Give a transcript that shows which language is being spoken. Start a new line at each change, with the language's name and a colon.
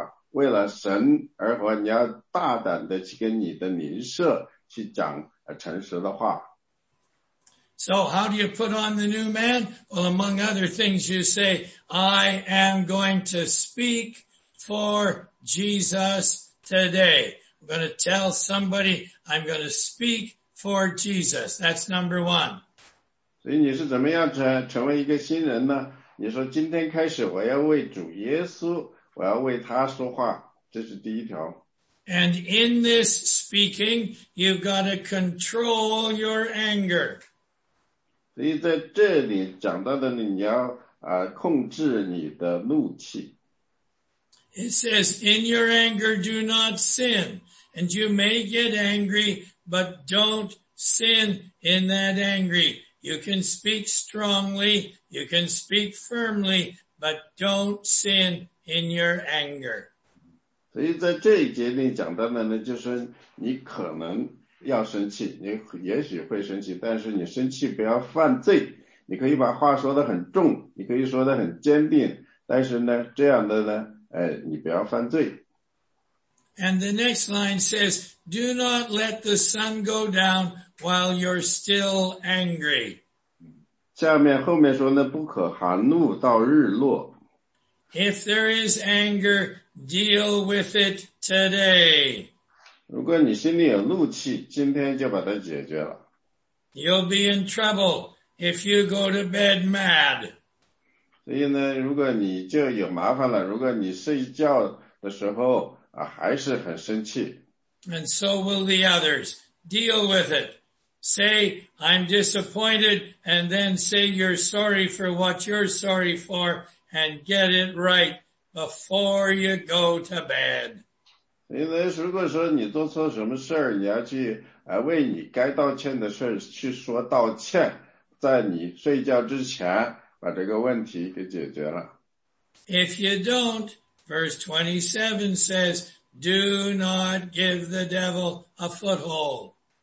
Chinese: 为了神而活，你要大胆的去跟你的邻舍去讲诚实的话。
English: So how do you put on the new man? Well, among other things, you say, I am going to speak for Jesus today. I'm going to tell somebody I'm going to speak for Jesus. That's number one.
Chinese: 所以你是怎么样成为一个新人呢？你说今天开始我要为主耶稣，我要为他说话，这是第一条。
English: And in this speaking, you've got to control your anger.
Chinese: 所以在这里讲到的呢，你要控制你的怒气。
English: It says, in your anger, do not sin. And you may get angry, but don't sin in that angry. You can speak strongly, you can speak firmly, but don't sin in your anger.
Chinese: 所以在这一节里讲到的呢，就是你可能要生气，你也许会生气，但是你生气不要犯罪。你可以把话说得很重，你可以说得很坚定，但是呢，这样的呢，你不要犯罪。
English: And the next line says, do not let the sun go down while you're still angry.
Chinese: 下面后面说呢，不可含怒到日落。
English: If there is anger, deal with it today.
Chinese: 如果你心里有怒气，今天就把它解决了。
English: You'll be in trouble if you go to bed mad.
Chinese: 所以呢，如果你就有麻烦了，如果你睡觉的时候还是很生气。
English: And so will the others. Deal with it. Say, I'm disappointed, and then say you're sorry for what you're sorry for, and get it right before you go to bed.
Chinese: 因为如果说你做错什么事儿，你要去为你该道歉的事儿去说道歉，在你睡觉之前把这个问题给解决了。
English: If you don't, verse 27 says, do not give the devil a foothold.